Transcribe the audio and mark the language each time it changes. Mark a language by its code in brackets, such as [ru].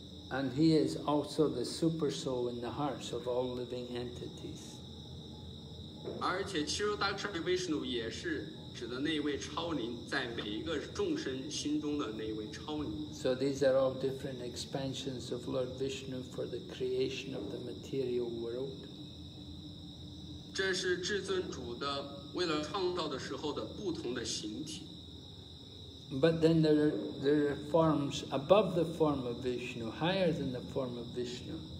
[en] And he is also the super soul in the hearts of all living entities. [zh] 而且 Shirodakshayi Vishnu 也是指的那位超灵，在每一个众生心中的那位超灵。 [en] So these are all different expansions of Lord Vishnu for the creation of the material world. [zh] 这是至尊主的为了创造的时候的不同的形体。 [en] But then there are forms above the form of Vishnu, higher than the form of Vishnu.